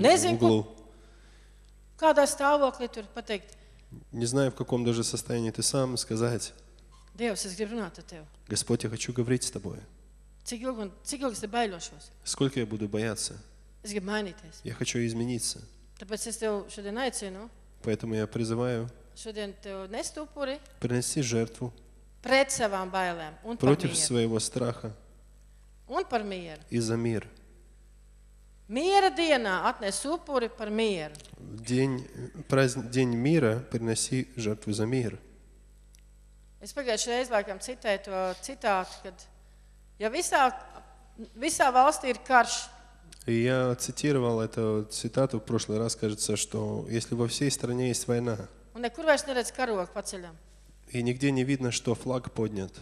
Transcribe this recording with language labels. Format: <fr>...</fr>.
<lv>Nezinu, kādā stāvoklī tur pateikt.</lv> <ru>Не знаю, в каком даже состоянии ты сам сказать.</ru> <lv>Dievs, es gribu runāt ar tev.</lv> <ru>Господь, я хочу говорить с тобой.</ru> <lv>Cik ilgi es tev baiļošos?</lv> <ru>Сколько я буду бояться?</ru> <lv>Es gribu mainīties.</lv> <ru>Я хочу измениться.</ru> <lv>Tāpēc es tev šodien aicinu.</lv> <ru>Поэтому я призываю.</ru> <lv>Šodien tev nest upuri.</lv> <ru>Принеси жертву.</ru> <lv>Pret savām bailēm un par</lv> <ru>против мир. Своего страха.</ru> <lv>Un par mieru.</lv> <ru>И за мир.</ru> <lv>Miera dienā atnes upuri par mieru.</lv> <ru>День мира принеси жертву за мир.</ru> <lv>Es pagājušajā reizē laikam citēju to citātu, kad ja visā valstī ir karš.</lv> <ru>Я цитировал эту цитату в прошлый раз, кажется, что если во всей стране есть война.</ru> <lv>Un nekur vairs neredz karogu paceļam.</lv> <ru>И нигде не видно, что флаг поднят.</ru>